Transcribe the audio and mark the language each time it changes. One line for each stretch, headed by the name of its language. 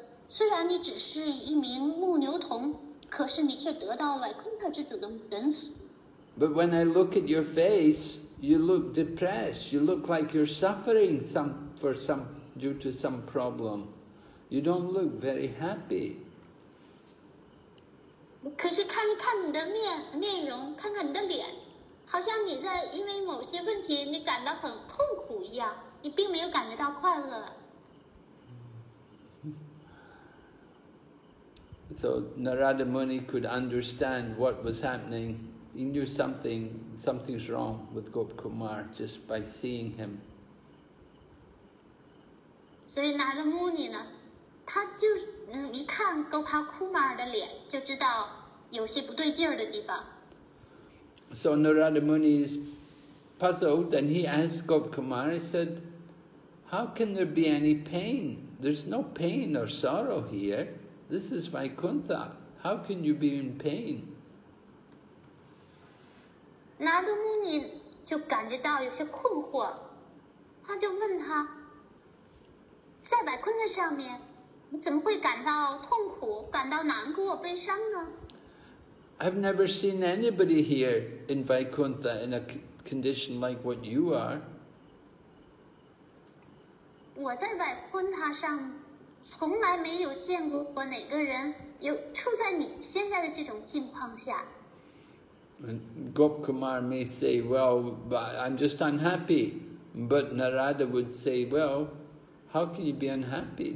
Chinese: 虽然你只是一名牧牛童，可是你却得到了 Vaikuntha 之主的仁慈。
English: But when I look at your face, you look depressed. You look like you're suffering due to some problem. You don't look very happy.
Chinese: 可是看一看你的面容，看看你的脸，好像你在因为某些问题你感到很痛苦一样，你并没有感觉到快乐。
English: So Narada Muni could understand what was happening. He knew something's wrong with Gop Kumar just by seeing him.
Chinese: So Narada Muni, 呢他就一看 Gopa Kumar 的脸就知道有些不对劲的地方。
English: So Narada Muni is puzzled, and he asked Gop Kumar, he said, how can there be any pain? There's no pain or sorrow here. This is Vaikuntha. How can you be in pain?
Chinese: Narada Muni 就感觉到有些困惑，他就问他，在百坤的上面你怎么会感到痛苦，感到难过悲伤呢？
English: I've never seen anybody here in Vaikuntha in a condition like what you are.
Chinese: 我在百坤塔上从来没有见过过哪个人有处在你现在的这种境况下。
English: Gop Kumar may say, well, I'm just unhappy. But Narada would say, well, how can you be unhappy?